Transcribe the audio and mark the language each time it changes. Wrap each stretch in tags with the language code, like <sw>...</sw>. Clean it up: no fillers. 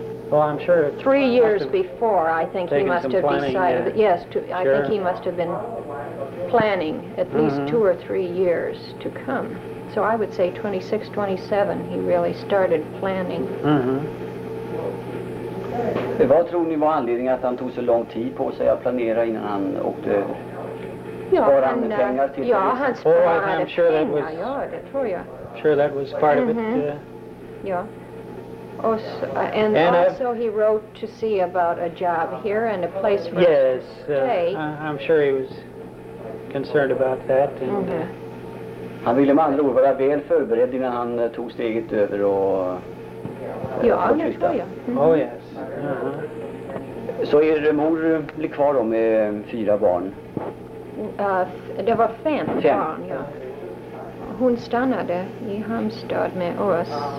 <en>Well, I'm sure. 3 years before, I think he must have decided. Yes, I think he must have been planning at least 2 or 3 years to come. So I would say 26, 27, he really started planning. Mm-hmm.</en> <sv>Vad tror ni var anledningen att han tog så lång tid på sig att planera innan han åkte? Han sparade pengar. Ja, det tror jag.</sv> <en>Sure, that was part of it. Also, he wrote to see about a job here and a place for him to stay. I'm sure he was concerned about that.</en> <sv>Han ville med andra ord vara väl förberedd innan han tog steget över och... Ja, det tror jag.</sv> <en>Oh, yes.</en> <sv>Så er mor blev kvar då med 4 barn? Det var 5 barn, ja. Hon stannade i Halmstad med oss.</sv>